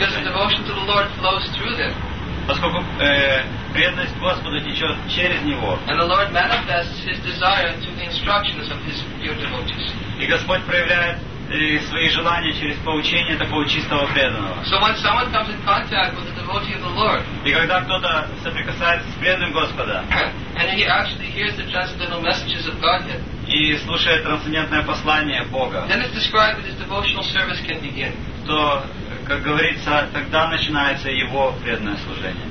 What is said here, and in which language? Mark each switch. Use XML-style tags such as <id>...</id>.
<en>Because the devotion to the Lord flows through them.</en> <ru>Поскольку преданность Господу течет через него.</ru> <en>And the Lord manifests his desire through the instructions of his pure devotees.</en> <ru>И Господь проявляет свои желания через поучение такого чистого преданного.</ru> <en>So when someone comes in contact with the devotee of the Lord.</en> <ru>И когда кто-то соприкасается с преданным Господа.</ru> <en>And he actually hears the transcendental messages of Godhead.</en> <ru>И слушая трансцендентное послание Бога,</ru> <en>then it's described that his devotional service can begin.</en> <ru>То, как говорится, тогда начинается его преданное служение.</ru>